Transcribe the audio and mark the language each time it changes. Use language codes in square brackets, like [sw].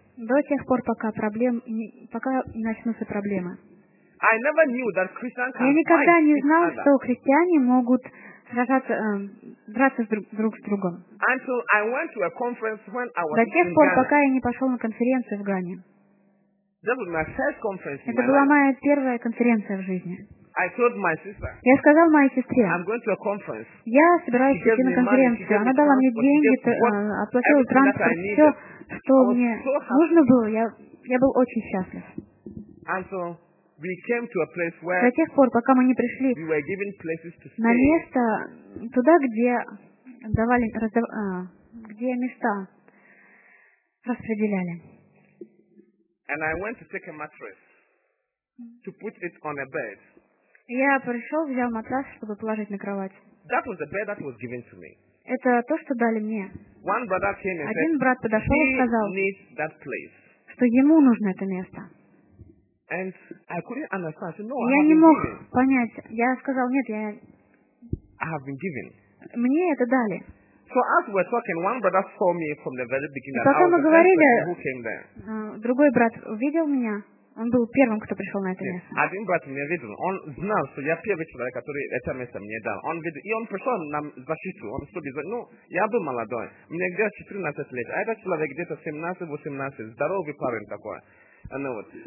[ru] До тех пор, пока не начнутся проблемы. [en] I never knew that Christians can fight. [ru] Я никогда не знал, что христиане могут сражаться, драться друг с другом. [en] Until I went to a conference when I was [ru] до тех пор, [en] in Ghana. [ru] Пока я не пошел на конференцию в Гане. [en] That was my first conference in [ru] это [en] my [ru] была [en] life. [ru] Моя первая конференция в жизни. [en] I told my sister. [ru] Я сказал моей сестре. [en] I'm going to a conference. [ru] Я собираюсь идти на конференцию. [en] Money, [ru] она дала мне деньги, оплатила транспорт, все, что мне нужно было. Я был очень счастлив. [en] Until we came to a place where. [ru] До тех пор, пока мы не пришли. [en] We were given places to stay. [ru] На место туда, где давали, где места распределяли. [en] And I went to take a mattress to put it on a bed. [ru] Я пришел, взял матрас, чтобы положить на кровать. [en] That was the bed that was given to me. [ru] Это то, что дали мне. [en] One brother came and [ru] один брат подошел [en] he [ru] и сказал, [en] needs that place. [ru] Что ему нужно это место. [en] And I couldn't understand. I said, no, [ru] я [en] I have [ru] не мог [en] been given. [ru] Понять. Я сказал, нет, я... [en] I have been given. [ru] Мне это дали. [en] So as we're talking, one brother saw me from the very beginning. [ru] И пока мы говорили, [en] who came there. [ru] Другой брат увидел меня. Он был первым, кто пришел на это место. Один брат меня видел. Он знал, что я первый человек, который это место мне дал. Он видел. И он пришел на защиту. Он сказал, ну, я был молодой. Мне где-то 14 лет. А этот человек где-то 17-18. Здоровый парень такой. Ну, вот.